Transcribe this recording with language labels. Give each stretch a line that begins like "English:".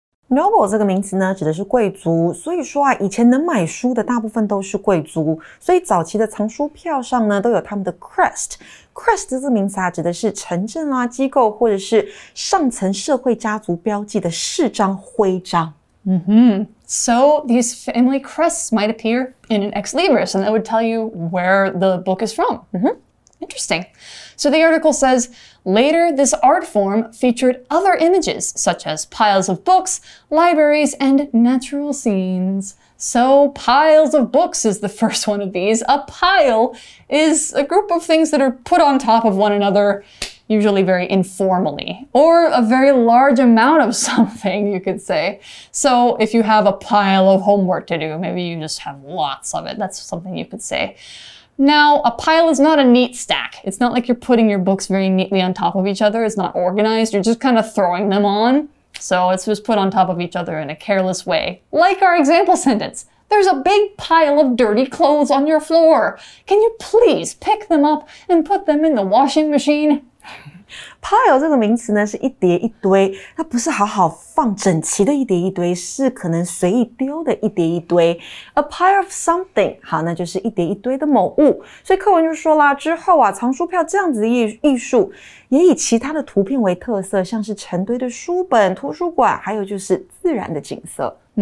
Chinese: Noble 这个名词呢指的是贵族，所以说啊，以前能买书的大部分都是贵族，所以早期的藏书票上呢都有他们的 crest。 crest 这个名词啊指的是城镇啊、机构或者是上层社会家族标记的世章徽章。
English: So these family crests might appear in an ex-libris, and that would tell you where the book is from. Interesting. So the article says, later this art form featured other images, such as piles of books, libraries, and natural scenes. So piles of books is the first one of these. A pile is a group of things that are put on top of one another, usually very informally, or a very large amount of something, you could say. So if you have a pile of homework to do, maybe you just have lots of it. That's something you could say. Now, a pile is not a neat stack. It's not like you're putting your books very neatly on top of each other. It's not organized. You're just kind of throwing them on. So it's just put on top of each other in a careless way. Like our example sentence, there's a big pile of dirty clothes on your floor. Can you please pick them up and put them in the washing machine?
Chinese: Pile 这个名词呢是一叠一堆，它不是好好放整齐的一叠一堆，是可能随意丢的一叠一堆。
English: A pile of something,
Chinese: 好，那就是一叠一堆的某物。所以课文就说啦，之后啊，藏书票这样子的艺术也以其他的图片为特色，像是成堆的书本、图书馆，还有就是自然的景色。